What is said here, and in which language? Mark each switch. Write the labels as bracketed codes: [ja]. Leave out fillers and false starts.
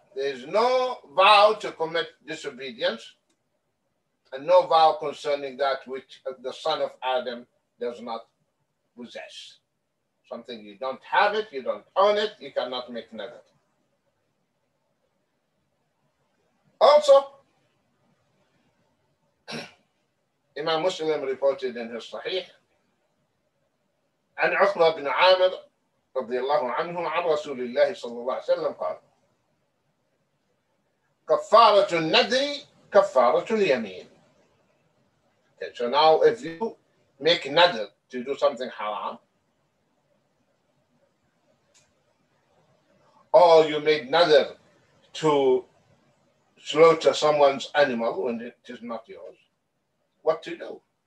[en] There is no vow to commit disobedience, and no vow concerning that which the son of Adam does not possess. Something you don't have it, you don't own it, you cannot make nether. Also, Imam Muslim reported in his Sahih, [ar] عن عقبة بن عامر رضي الله عنه عن رسول الله صلى الله عليه وسلم قال كفارة النذر كفارة اليمين. [en] Okay, so now if you make nether to do something haram, or you made nadr to slaughter someone's animal when it is not yours, what to do?